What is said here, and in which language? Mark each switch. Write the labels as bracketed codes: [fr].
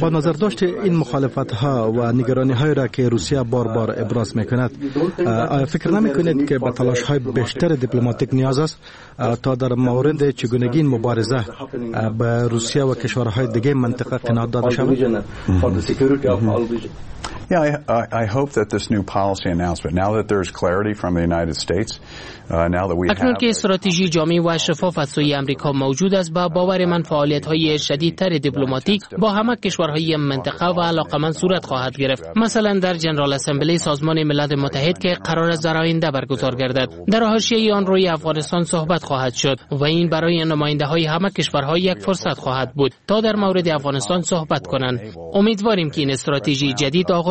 [fa] با نظر داشت این مخالفت ها و نگرانی های را که روسیه بار بار ابراز میکند، آیا فکر نمیکنید که به تلاش های بیشتر دیپلماتیک نیاز است تا در مورد چگونگی این مبارزه به روسیه و کشورهای دیگه منطقه قناعت داده شود؟ [en] I hope that this new policy announcement, now that there's clarity from the United States, now that we have [fa] اکنون که استراتژی جامع و شفاف از سوی آمریکا موجود است، با باور من فعالیت‌های شدیدتر دیپلماتیک با همه کشورهای منطقه و علاقمند صورت خواهد گرفت. مثلا در جنرال اسمبلی سازمان ملل متحد که قرار است در آینده برگزار گردد، در حاشیه آن روی افغانستان صحبت خواهد شد و این برای نماینده‌های همه کشورها یک فرصت خواهد بود تا در مورد افغانستان صحبت کنند. امیدواریم که این استراتژی جدید آغاز